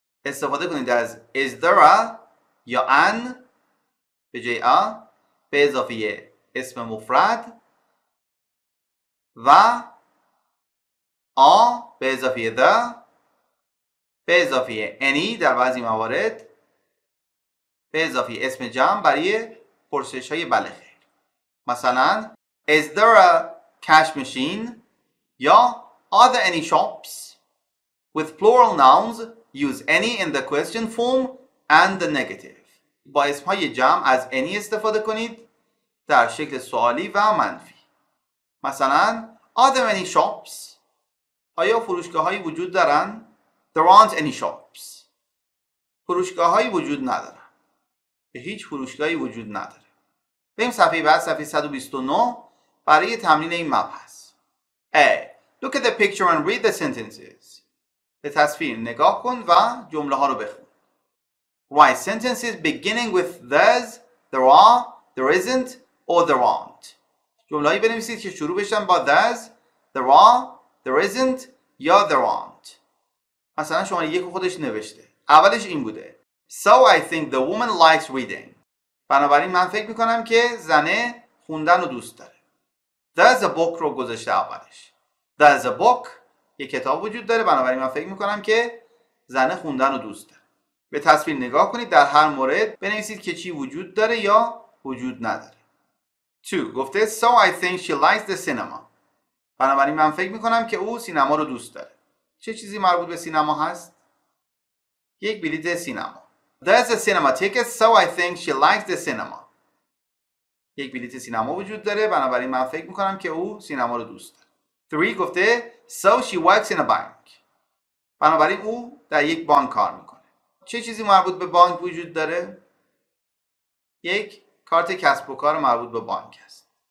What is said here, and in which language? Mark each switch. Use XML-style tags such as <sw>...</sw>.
<fa>استفاده کنید از is there a یا an به جای a به اضافه اسم مفرد و a به اضافه the به اضافه any در بعضی موارد به اضافه اسم جمع برای پرسش های بله خیر.</fa> <en>مثلا is there a cash machine یا are there any shops. With plural nouns, use any in the question form and the negative.</en> <fa>با اسمهای جمع از any استفاده کنید در شکل سوالی و منفی.</fa> <en>مثلا, are there any shops?</en> <fa>آیا فروشگاه هایی وجود دارن؟</fa> <en>There aren't any shops.</en> <fa>فروشگاه هایی وجود ندارن. به هیچ فروشگاهی وجود نداره. بریم صفحه بعد صفحه 129 برای تمرین این مبحث. A.</fa> <en>Look at the picture and read the sentences.</en> <fa>به تصویر نگاه کن و جمله ها رو بخون.</fa> <en>Write sentences beginning with there's, there are, there isn't, or there aren't.</en> <fa>جمله هایی بنویسید که شروع بشن با there's, there are, there isn't, یا there aren't. مثلا شما یک خودش نوشته. اولش این بوده.</fa> <en>So I think the woman likes reading.</en> <fa>بنابراین من فکر میکنم که زنه خوندن رو دوست داره.</fa> <en>There's a book</en> <fa>رو گذاشته اولش. There's a book. یه کتاب وجود داره، بنابراین من فکر میکنم که زن خوندن رو دوست داره. به تصویر نگاه کنید، در هر مورد بنویسید که چی وجود داره یا وجود نداره.</fa> <en>2 گفته So I think she likes the cinema.</en> <fa>بنابراین من فکر میکنم که او سینما رو دوست داره. چه چیزی مربوط به سینما هست؟ یک بلیط سینما.</fa> <en>There's a cinema ticket, so I think she likes the cinema.</en> <fa>یک بلیط سینما وجود داره، بنابراین من فکر میکنم که او سینما رو دوست داره.</fa> <en>3 گفته So she works in a bank.</en> <fa>بنابراین او در یک بانک کار میکنه. چه چیزی مربوط به بانک وجود داره؟ یک کارت کسب و کار مربوط به بانک است.</fa>